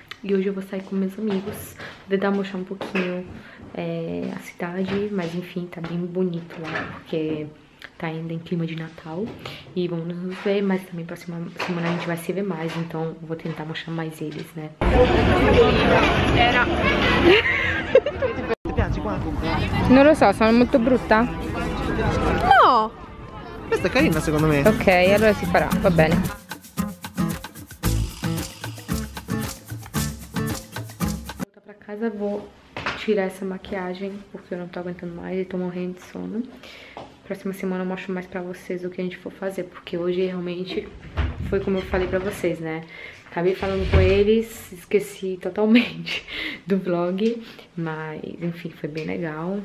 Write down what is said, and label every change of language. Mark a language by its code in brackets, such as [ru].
[pt] E hoje eu vou sair com meus amigos. Vou tentar mostrar um pouquinho a cidade. Mas enfim, tá bem bonito lá, porque tá ainda em clima de Natal. E vamos nos ver, mas também próxima semana a gente vai se ver mais. Então vou tentar mostrar mais eles, né? [it] Não, lo so, sono molto brutta. No! Questa è carina, secondo me. Ok, allora si farà, va bene. [pt] Volta pra casa, vou tirar essa maquiagem, porque eu não tô aguentando mais e tô morrendo de sono. Próxima semana eu mostro mais pra vocês o que a gente for fazer, porque hoje realmente foi como eu falei pra vocês, né? Acabei falando com eles, esqueci totalmente do vlog, mas enfim, foi bem legal.